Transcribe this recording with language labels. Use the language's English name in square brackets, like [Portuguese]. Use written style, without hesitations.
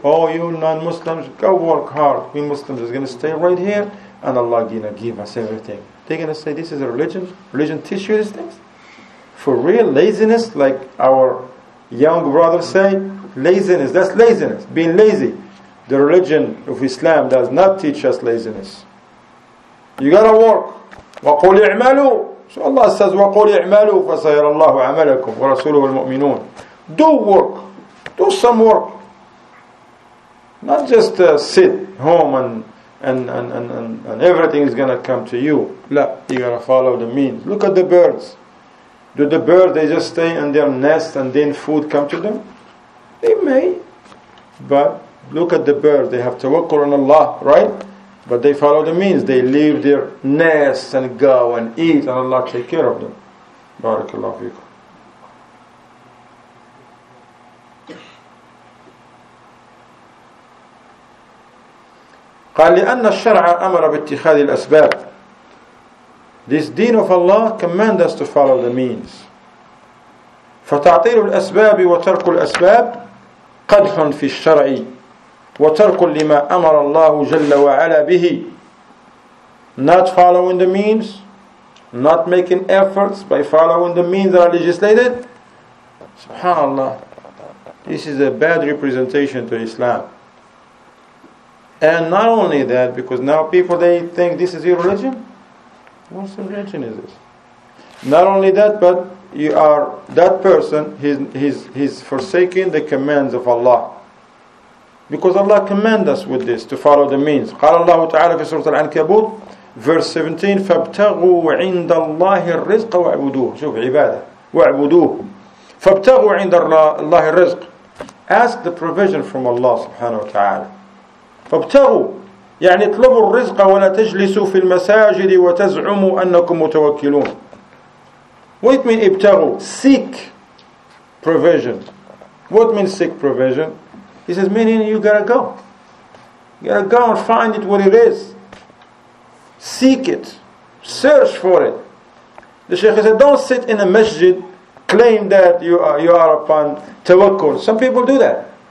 [English] Oh, you non-Muslims, go work hard. We Muslims are going to stay right here, and Allah is going to give us everything. They're going to say, this is a religion? Religion teaches you these things? For real, laziness, like our young brother say, laziness, that's laziness, being lazy. The religion of Islam does not teach us laziness. You gotta work. [Arabic] وَقُلْ اِعْمَلُوا. [English] So Allah says, [Arabic] وَقُلْ اِعْمَلُوا فَسَيَرَ اللَّهُ عَمَلَكُمْ وَرَسُولُهُ الْمُؤْمِنُونَ. [English] Do work. Do some work. Not just sit home and everything is gonna come to you. No, you gotta follow the means. Look at the birds. Do the birds, they just stay in their nest and then food come to them? They may. But look at the birds. They have tawakkul on Allah, right? But they follow the means. They leave their nests and go and eat, and Allah take care of them. Barakallahu fiqh. [Arabic] قال لأن الشرع أمر باتخاذ الأسباب. [English] This deen of Allah command us to follow the means. [Arabic] فتعطيل الأسباب وترك الأسباب قدح في الشرع وترك لما أمر الله جل وعلا به. [English] Not following the means, not making efforts by following the means that are legislated. Subhanallah. This is a bad representation to Islam. And not only that, because now people, they think this is your religion. What religion is this? Not only that, but you are that person, he's forsaking the commands of Allah. Because Allah commands us with this, to follow the means. [Arabic] قال الله تعالى في سورة العنكبوت [English] verse 17, [Arabic] فابتغوا عند الله الرزق واعبدوه. شوف عبادة واعبدوه. فابتغوا عند الله الرزق. [English] Ask the provision from Allah سبحانه وتعالى. [Arabic] فابتغوا يعني اطلبوا الرزق ولا تجلسوا في المساجد وتزعموا أنكم متوكلون. [English] What mean ابتغوا? Seek provision. What means seek provision? He says, meaning you gotta go. You gotta go and find it what it is. Seek it. Search for it. The Shaykh said, don't sit in a masjid, claim that you are upon tawakkul. Some people do that.